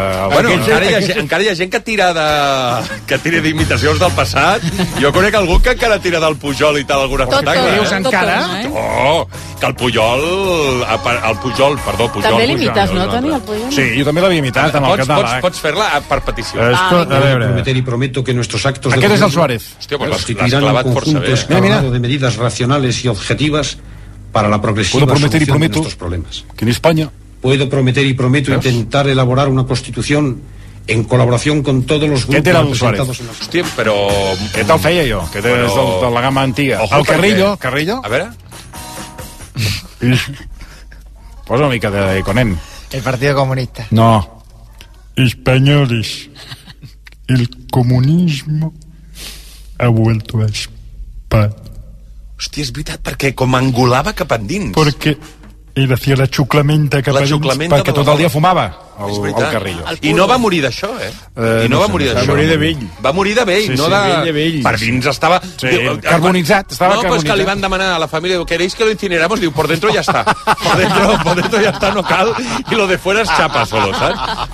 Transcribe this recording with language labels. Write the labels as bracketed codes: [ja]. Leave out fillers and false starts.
[ca] Bueno, encara hi ha gent que tira de... que tira d'imitacions del passat. Jo conec algú que encara tira del Pujol i tal, alguna cosa. Tot, dius encara? Oh, que el Pujol... El Pujol, també l'imites, no, Toni, el Pujol? Sí, jo també l'havia imitat, en el catàleg. Pots fer-la per petició. A veure... [es] Prometer y prometo que nuestros actos... [ca] Aquest és el Suárez. Hòstia, pues l'has clavat força bé. [es] Mira, de medidas racionales y objetivas para la progresiva solución de nuestros problemas. Que en España... Puedo prometer y prometo intentar elaborar una constitución en col·laboración con todos los grupos representados en la... [ca] Hòstia, però... Què te'l feia jo? Que te'l és de la gama antiga. El Carrillo, Carrillo. A veure. Posa una mica de conem. [es] El Partido Comunista. [ca] No. [es] Españoles, el comunismo ha vuelto a España. [ca] Hòstia, és veritat, perquè com angulava cap endins. Perquè ell feia la xuclamenta cap endins, perquè tot el dia fumava el Carrillo. I no va morir d'això, eh? I no va morir d'això. Va morir de vell. Va morir de vell, no de... Vell de vell. Per dins estava... Sí, carbonitzat, estava carbonitzat. No, però és que li van demanar a la família, [es] ¿queréis que lo incineramos? Diu, por dentro ya está. Por dentro ya está, [ca] no cal. [es] Y lo de fuera es chapa solo, saps?